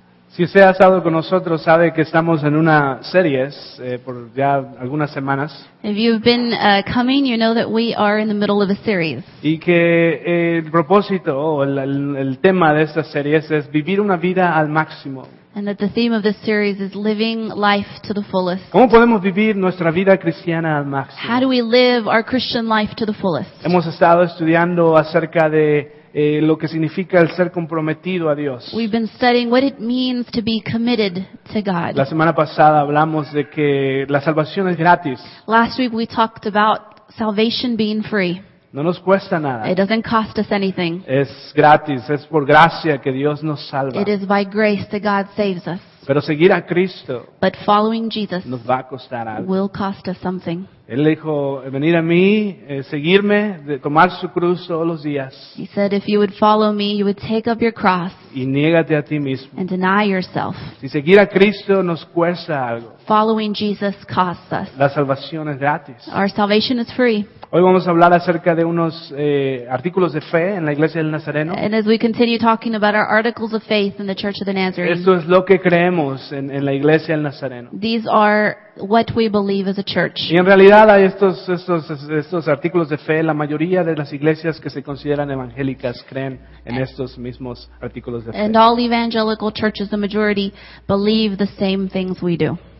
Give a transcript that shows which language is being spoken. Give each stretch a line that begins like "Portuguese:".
Spanish: Si usted ha estado con nosotros, sabe que estamos en una serie por ya algunas semanas.
English: If you've been coming, you know that we are in the middle of a series.
Spanish: Y que el propósito o el tema de esta serie es vivir una vida al máximo.
English: And that the theme of this series is living life to the fullest.
Spanish: ¿Cómo podemos vivir nuestra vida cristiana al máximo?
English: How do we live our Christian life to the fullest?
Spanish: Hemos estado estudiando acerca de lo que significa el ser comprometido a Dios.
English: We've been studying what it means to be committed to God.
Spanish: La semana pasada hablamos de que la salvación es gratis.
English: Last week we talked about salvation being free.
Spanish: No nos cuesta nada.
English: It doesn't cost us anything.
Spanish: Es gratis, es por gracia que Dios nos salva.
English: It is by grace that God saves us.
Spanish: Pero seguir a Cristo,
English: but following Jesus,
Spanish: nos va a costar algo.
English: Will cost us something.
Spanish: Él dijo, venir a mí, seguirme, tomar su cruz todos los días.
English: He said, if you would follow me, you would take up your cross.
Spanish: Y niégate a ti mismo.
English: And deny yourself.
Spanish: Si seguir a Cristo nos cuesta algo.
English: Following Jesus costs us.
Spanish: La salvación es gratis.
English: Our salvation is free.
Spanish: Hoy vamos a hablar acerca de unos artículos de fe en la Iglesia del Nazareno.
English: And as we continue talking about our articles of faith in the Church of the Nazarene.
Spanish: Esto es lo que creemos en la Iglesia del Nazareno.
English: These are what we believe as a church.
Spanish: Y en realidad hay estos artículos de fe, la mayoría de las iglesias que se consideran evangélicas creen en estos mismos artículos de fe.
English: And all evangelical churches, the majority, believe the same things we do.